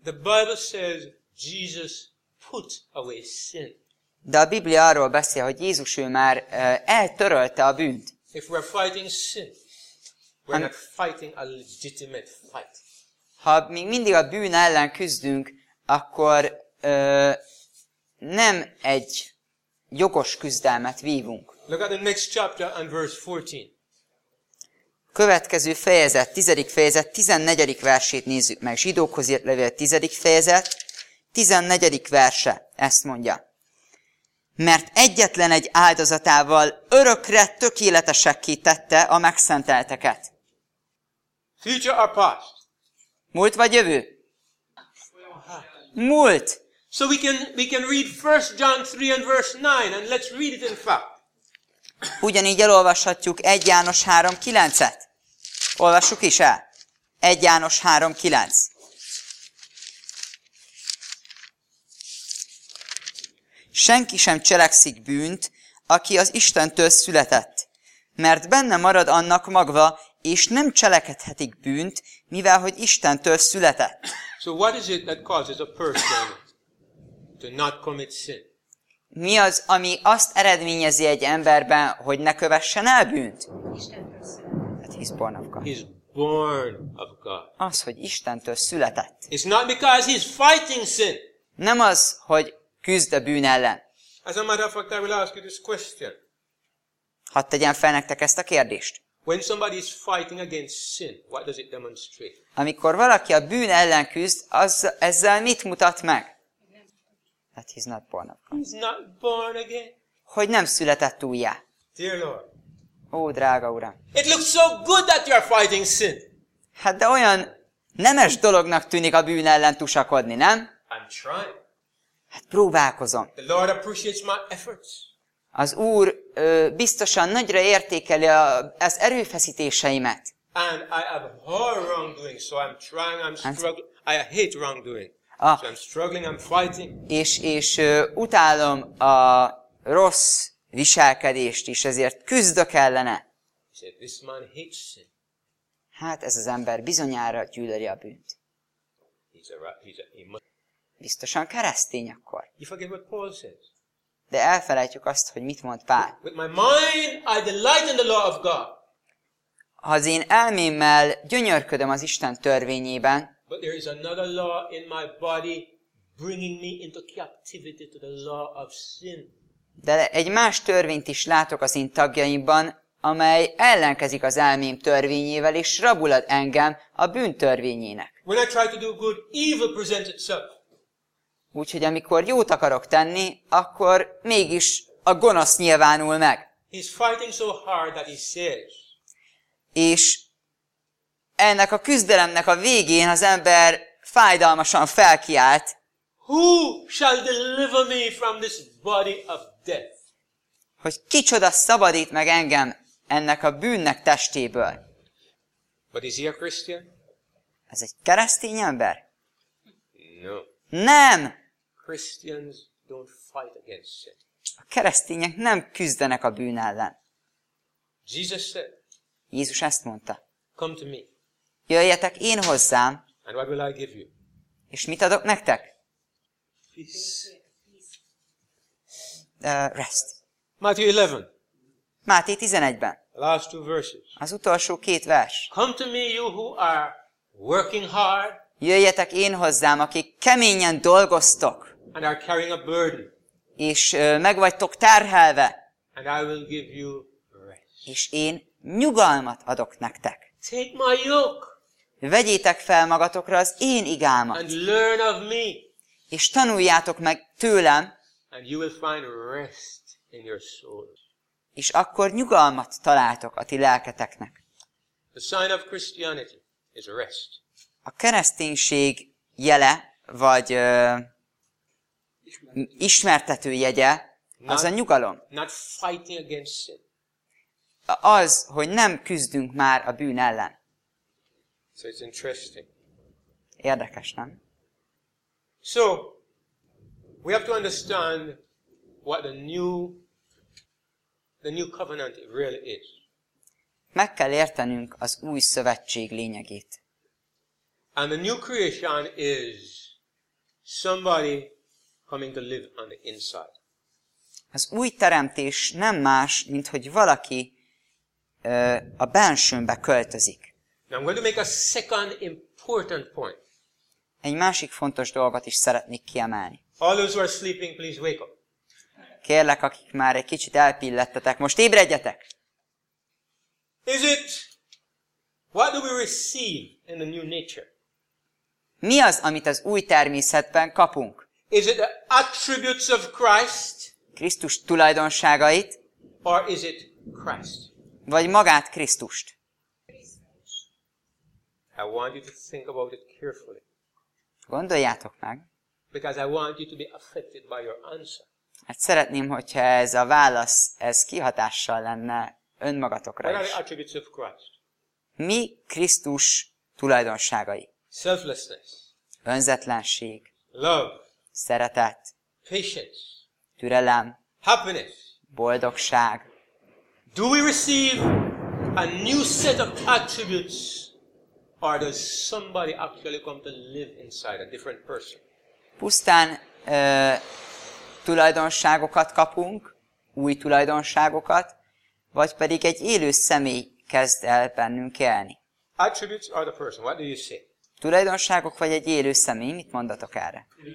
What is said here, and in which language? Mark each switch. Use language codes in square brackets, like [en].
[en] The Bible says Jesus put away sin. [hu] De a Biblia arról beszél, hogy Jézus ő már eltörölte a bűnt. [en] If we're fighting sin, we're not fighting a legitimate fight. [hu] Ha még mindig a bűn ellen küzdünk, akkor nem egy jogos küzdelmet vívunk. [en] Look at the next chapter and verse 14. [hu] Következő fejezet, 10. fejezet, 14. versét nézzük meg. Zsidókhoz írt levél 10. fejezet, 14. verse ezt mondja. Mert egyetlen egy áldozatával örökre tökéletesekké tette a megszentelteket. [en] Future or past? [hu] Múlt vagy jövő? Múlt. [en] So we can read 1 John 3 and verse 9 and let's read it in fact. [hu] Ugyanígy elolvashatjuk 1 János 3:9-et. Olvassuk is el. 1 János 3:9. Senki sem cselekszik bűnt, aki az Istentől született, mert benne marad annak magva, és nem cselekedhetik bűnt, mivel hogy Istentől született. [en] So what is it that causes a person to not commit sin? [hu] Mi az, ami azt eredményezi egy emberben, hogy ne kövessen el bűnt? [en] He's born of God. He's born of God. [hu] Az, hogy Istentől született. [en] It's not because he's fighting sin. [hu] Nem az, hogy küzd a bűn ellen. [en] As a matter of fact, I will ask you this question. [hu] Hadd tegyem fel nektek ezt a kérdést. [en] When somebody is fighting against sin, what does it demonstrate? [hu] Amikor valaki a bűn ellen küzd, az ezzel mit mutat meg? [en] That he's not born of God. He's not born again. [hu] Hogy nem született újjá. [en] Dear Lord. [hu] Ó, drága Uram. [en] It looks so good that you're fighting sin. [hu] Hát de olyan nemes dolognak tűnik a bűn ellen tusakodni, nem? [en] I'm trying. [hu] Hát próbálkozom. [en] The Lord appreciates my efforts. [hu] Az Úr biztosan nagyra értékeli az erőfeszítéseimet. [en] And I abhor wrongdoing, so I'm trying, I'm struggling. I hate wrongdoing. So I'm struggling, I'm fighting. [hu] És utálom a rossz viselkedést is, ezért küzdök ellene. Said, this man hates sin. Hát ez az ember bizonyára gyűlöli a bűnt. Biztosan keresztény akkor. [en] You forget what Paul says. [hu] De elfelejtjük azt, hogy mit mond Pál. [en] With my mind, I delight in the law of God. [hu] Az én elmémmel gyönyörködöm az Isten törvényében. [en] But there is another law in my body bringing me into captivity to the law of sin. [hu] De egy más törvényt is látok az én tagjaimban, amely ellenkezik az elmém törvényével, és rabulad engem a bűn törvényének. [en] When I try to do good, evil presents itself. [hu] Úgyhogy amikor jót akarok tenni, akkor mégis a gonosz nyilvánul meg. [en] He's fighting so hard that he says. [hu] És ennek a küzdelemnek a végén az ember fájdalmasan felkiált. [en] Who shall deliver me from this body of death? [hu] Hogy kicsoda szabadít meg engem ennek a bűnnek testéből. [en] But is he a Christian? [hu] Ez egy keresztény ember? [en] No. [hu] Nem! [en] Christians don't fight against sin. [hu] A keresztények nem küzdenek a bűn ellen. [en] Jesus said, [hu] Jézus ezt mondta. [en] Come to me. [hu] Jöjjetek én hozzám. [en] And what will I give you? [hu] És mit adok nektek? [en] Rest. Matthew 11. [hu] Máté 11-ben. [en] Last two verses. [hu] Az utolsó két vers. [en] Come to me, you who are working hard. [hu] Jöjjetek én hozzám, akik keményen dolgoztok. [en] And are carrying a burden. [hu] És megvagytok terhelve. [en] And I will give you rest. [hu] És én nyugalmat adok nektek. [en] Take my yoke. [hu] Vegyétek fel magatokra az én igámat. [en] And learn of me. [hu] És tanuljátok meg tőlem. [en] And you will find rest in your soul. [hu] És akkor nyugalmat találtok a ti lelketeknek. [en] The sign of Christianity is rest. [hu] A kereszténység jele, vagy ismertető jegye, az a nyugalom. [en] Not fighting against sin. [hu] Az, hogy nem küzdünk már a bűn ellen. [en] So it's interesting. [hu] Érdekes, nem? [en] So, we have to understand what the new covenant really is. [hu] Meg kell értenünk az új szövetség lényegét. [en] And the new creation is somebody coming to live on the inside. [hu] Az új teremtés nem más, mint hogy valaki a bensőnbe költözik. [en] Now I'm going to make a second important point. [hu] Egy másik fontos dolgot is szeretnék kiemelni. [en] All those who are sleeping, please wake up. [hu] Kérlek, akik már egy kicsit elpillettetek, most ébredjetek! [en] Is it? What do we receive in the new nature? [hu] Mi az, amit az új természetben kapunk? [en] Is it the attributes of Christ? [hu] Krisztus tulajdonságait? [en] Or is it Christ? [hu] Vagy magát Krisztust? [en] I want you to think about it carefully. [hu] Gondoljátok meg. [en] Because I want you to be affected by your answer. [hu] Hát szeretném, hogyha ez a válasz, ez kihatással lenne önmagatokra is. [en] What are the attributes of Christ? [hu] Mi Krisztus tulajdonságai? [en] Selflessness. [hu] Önzetlenség. [en] Love. [hu] Szeretet. [en] Patience. [hu] Türelem. [en] Happiness. [hu] Boldogság. [en] Do we receive a new set of attributes? Or does somebody actually come to live inside a different person? [hu] Pusztán tulajdonságokat kapunk, új tulajdonságokat, vagy pedig egy élő személy kezd el bennünk élni. [en] Attributes or the person, what do you say? [hu] Tulajdonságok vagy egy élő személy, mit mondatok erre?